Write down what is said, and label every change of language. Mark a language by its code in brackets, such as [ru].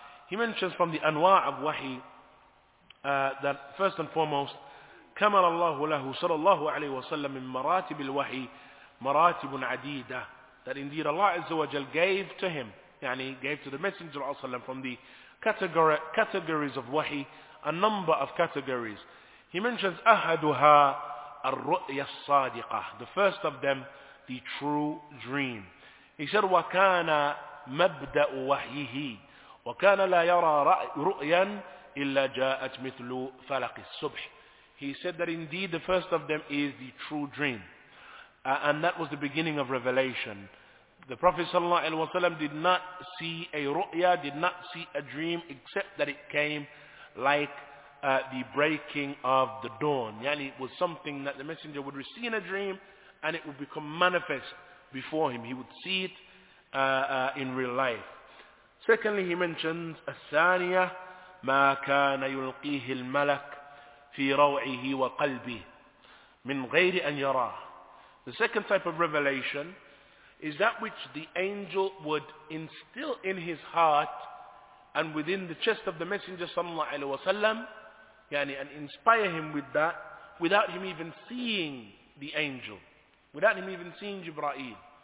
[en] He mentions from the anwa' of wahi that first and foremost, [ar] كَمَرَ اللَّهُ لَهُ صَلَى اللَّهُ عَلَيْهُ وَسَلَّمْ مِنْ مَرَاتِبِ الْوَحِي مَرَاتِبٌ عَدِيدَةٌ, [en] that indeed Allah Azza wa Jal gave to him, yani gave to the Messenger from the categories of wahi, a number of categories. He mentions [ar] أَحَدُهَا الرُّؤْيَ الصَّادِقَةِ, [en] the first of them, the true dream. He said, [ar] وَكَانَ مَبْدَأُ وَحْيِهِ وَكَانَ لَا يَرَى رُؤْيًا إِلَّا جَاءَتْ مِثْلُ فَلَقِ الصُّبْحِ. [en] He said that indeed the first of them is the true dream. And that was the beginning of revelation. The Prophet sallallahu alaihi wasallam did not see a ru'ya, did not see a dream, except that it came like the breaking of the dawn. Yani it was something that the Messenger would receive in a dream, and it would become manifest before him. He would see it in real life. Secondly, he mentions, [ar] الثانية, ما كان يلقيه الملك في روعه وقلبه من غير أن يراه. [en] The second type of revelation is that which the angel would instill in his heart and within the chest of the messenger sallallahu alaihi wasallam, yani, and inspire him with that without him even seeing the angel, without him even seeing Jibra'il.